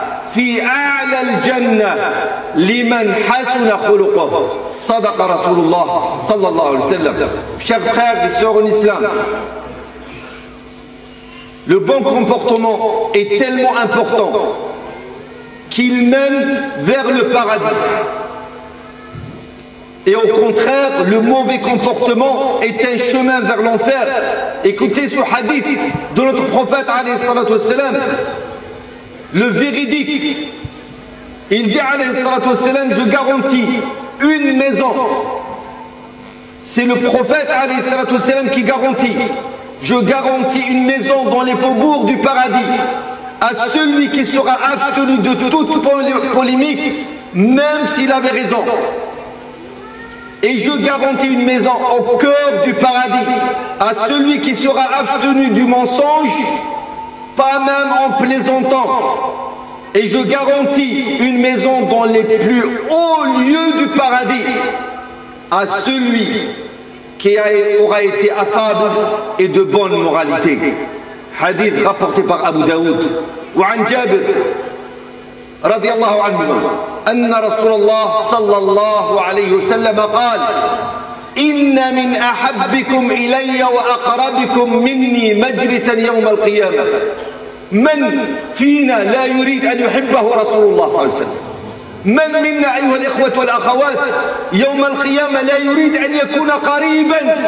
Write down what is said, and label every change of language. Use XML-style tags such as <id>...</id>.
<ar>في أعلى الجنة لمن حسن خلقه صدق رسول الله صلى الله عليه وسلم شيخ خير بسيور الإسلام</ar> <fr>Le bon comportement est tellement important qu'il mène vers le paradis. Et au contraire, le mauvais comportement est un chemin vers l'enfer. Écoutez ce hadith de notre prophète,</fr> <ar>alayhi salatu wassalam,</ar> <fr>le véridique. Il dit,</fr> <ar>alayhi salatu wassalam,</ar> <fr>je garantis une maison. C'est le prophète,</fr> <ar>alayhi salatu wassalam,</ar> <fr>qui garantit. Je garantis une maison dans les faubourgs du paradis à celui qui sera abstenu de toute polémique, même s'il avait raison. Et je garantis une maison au cœur du paradis à celui qui sera abstenu du mensonge, pas même en plaisantant. Et je garantis une maison dans les plus hauts lieux du paradis à celui qui aura été affable et de bonne moralité. Hadith rapporté par Abu Daoud.</fr> <ar>Wa an Jabir رضي الله عنه أن رسول الله صلى الله عليه وسلم قال إن من أحبكم إلي وأقربكم مني مجلسا يوم القيامة من فينا لا يريد أن يحبه رسول الله صلى الله عليه وسلم من منا أيها الإخوة والأخوات يوم القيامة لا يريد أن يكون قريبا</ar>